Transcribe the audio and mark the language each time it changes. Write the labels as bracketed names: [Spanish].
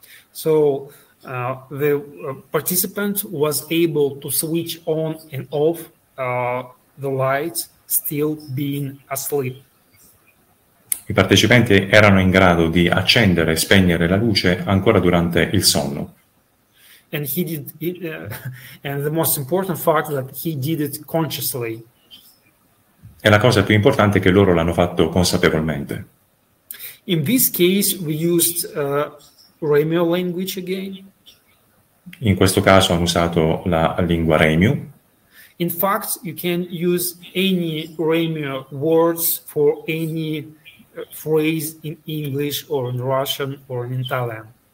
[English] So the participant was able to switch on and off the light still being asleep. [Italian] I partecipanti erano in grado di accendere e spegnere la luce ancora durante il sonno. [English] And he did it, and the most important fact that he did it consciously. [Italian] E la cosa più importante è che loro l'hanno fatto consapevolmente. [English] In this case we used Remio language again. [Italian] In questo caso hanno usato la lingua Remio. [English] In fact, you can use any Remio words for any phrase in English or in Russian or in Italian.